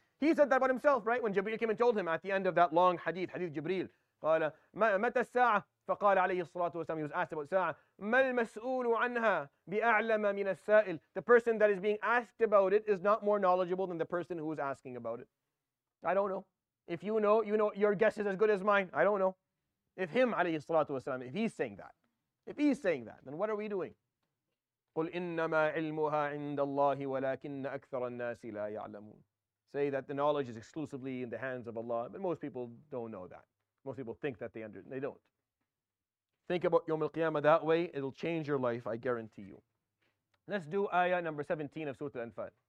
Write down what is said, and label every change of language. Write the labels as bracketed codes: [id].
[en] He said that about himself, right? When Jibreel came and told him at the end of that long hadith Jibreel, [ar] قال متى الساعة؟ فقال عليه الصلاة والسلام, [en] he was asked about الساعة, [ar] ما المسؤول عنها بأعلم من السائل. [en] The person that is being asked about it is not more knowledgeable than the person who is asking about it. I don't know. If you know, you know, your guess is as good as mine. I don't know. If him, عليه الصلاة والسلام, if he's saying that, then what are we doing? [ar] قل إنما علمها عند الله ولكن أكثر الناس لا يعلمون. [en] Say that the knowledge is exclusively in the hands of Allah, but most people don't know that. Most people think that they don't. Think about Yawm al-Qiyamah that way, it'll change your life, I guarantee you. Let's do ayah number 17 of Surah Al-Anfal.